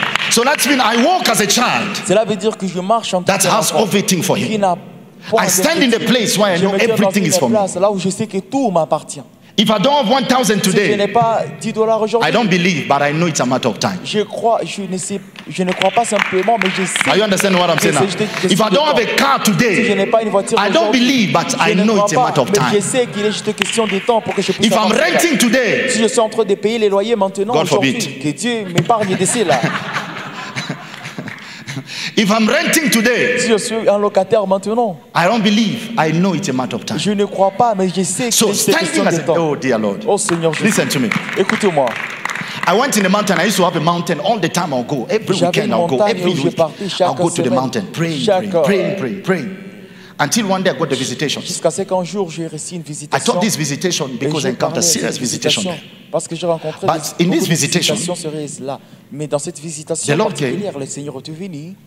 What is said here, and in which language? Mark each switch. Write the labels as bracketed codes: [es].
[en] So that's mean I walk as a child. [fr] Cela veut dire que je marche en [en] that has everything for him. I stand in the place where I know everything is for me. [fr] Là où je sais que tout m'appartient. [en] If I don't have 1,000 today, [fr] si je n'ai pas 10 dollars aujourd'hui, [en] I don't believe, but I know it's a matter of time. [fr] Je ne crois pas simplement, mais je sais. [en] Are you understanding what I'm saying now? If I don't have a car today, [fr] si je n'ai pas une voiture, [en] I don't believe, but I know it's a matter of time. [fr] Je sais qu'il est juste question de temps pour que je puisse. [en] If I'm renting today, [fr] si je suis en train de payer les loyers maintenant, [en] God forbid, [fr] que Dieu m'épargne de cela. [en] If I'm renting today, [fr] si je suis un locataire maintenant, [en] I don't believe, I know it's a matter of time. [fr] Je ne crois pas, mais je sais que [en] so [fr] c'est question de temps. [en] Oh dear Lord, [fr] oh Seigneur Jésus, [en] listen to me. [fr] Écoutez-moi. [en] I went in the mountain. I used to have a mountain all the time. I'll go every [fr] j'avais [en] weekend. I'll go every week. I'll go to the mountain, pray. Until one day I got the visitation. [fr] Jusqu'à ce qu'un jour j'ai reçu une visitation. [en] I thought this visitation because I encountered serious visitation there. [fr] Parce que j'ai rencontré [en] but in this visitation, [fr] mais dans cette visitation particulière, le Seigneur est venu.